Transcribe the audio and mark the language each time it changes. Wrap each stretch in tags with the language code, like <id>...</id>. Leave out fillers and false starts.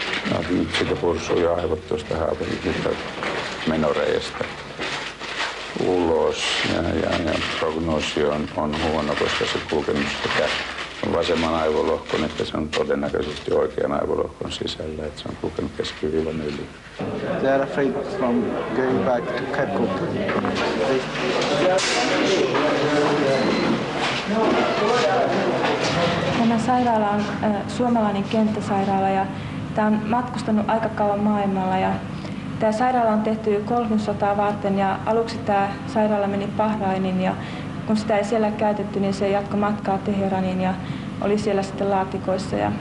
<fi>No, nyt siitä pursui jo aivot tuosta haavoitusta menoreijasta ulos ja prognoosi on huono, koska se kulkenut sitä vasemman aivolohkon, että se on todennäköisesti oikean aivolohkon sisällä, että se on kulkenut keskivivan yli.</fi> <en>They are afraid from going back to Kirkuk.</en> <fi>Tämä sairaala on suomalainen kenttäsairaala ja tämä on matkustanut aika kauan maailmalla. Ja tämä sairaala on tehty Golfin sotaa varten ja aluksi tämä sairaala meni Bahrainin ja kun sitä ei siellä käytetty, niin se jatkoi matkaa Teheraniin ja oli siellä sitten laatikoissa.</fi>